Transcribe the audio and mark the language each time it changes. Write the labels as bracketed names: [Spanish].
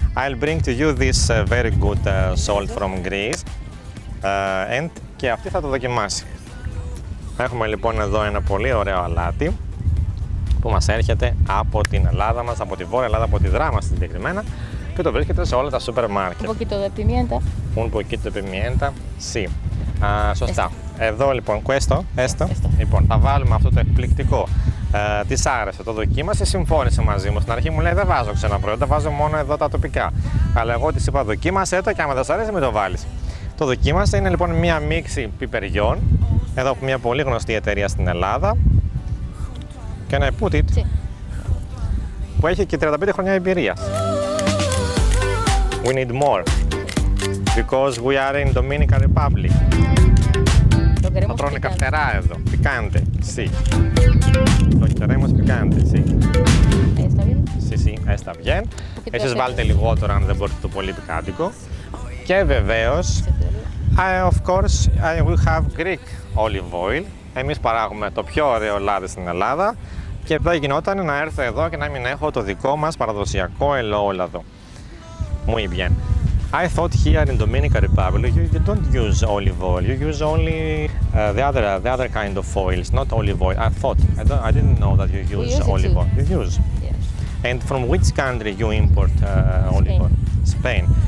[English] I'll bring to you this very good salt from Greece. [Greek] And και αυτή θα το δοκιμάσει. Έχουμε λοιπόν εδώ ένα πολύ ωραίο αλάτι που μας έρχεται από την Ελλάδα μας, από τη Βόρεια Ελλάδα, από τη Δράμα συγκεκριμένα. Και το βρίσκεται σε όλα τα σούπερ μάρκετ. [Spanish] Un poquito de pimienta. Un poquito de pimienta, sí. [Greek] Σωστά. Εδώ λοιπόν, questo, esto. Λοιπόν, θα βάλουμε αυτό το εκπληκτικό. Της άρεσε, το δοκίμασε, συμφώνησε μαζί μου. Στην αρχή μου λέει, δεν βάζω ξένα προϊόντα, βάζω μόνο εδώ τα τοπικά. Αλλά εγώ της είπα, δοκίμασε το και άμα δεν σου αρέσει, μην το βάλεις. Το δοκίμασε, είναι λοιπόν μία μίξη πιπεριών. Εδώ από μία πολύ γνωστή εταιρεία στην Ελλάδα. Και ένα put it, [Spanish] sí. [Greek] Που έχει και 35 χρόνια εμπειρία. [English] We need more, because we are in Dominican Republic. [Greek] Το θα τρώνε καυτερά εδώ. Πικάντε, sí. [Spanish] Το queremos picante, sí. Está bien. Sí, sí, está bien. [Greek] Εσείς βάλτε λιγότερο αν δεν μπορείτε το πολύ πικάντικο. [English] Και βεβαίως, of course, I will have Greek olive oil. [Greek] Εμείς παράγουμε το πιο ωραίο λάδι στην Ελλάδα. Και δεν γινόταν να έρθω εδώ και να μην έχω το δικό μας παραδοσιακό ελαιόλαδο. [Spanish] Muy bien. [English] I thought here in Dominican Republic you don't use olive oil. You use only the other kind of oils, not olive oil. I didn't know that you use olive oil. You use. Yes. And from which country you import olive oil? Spain.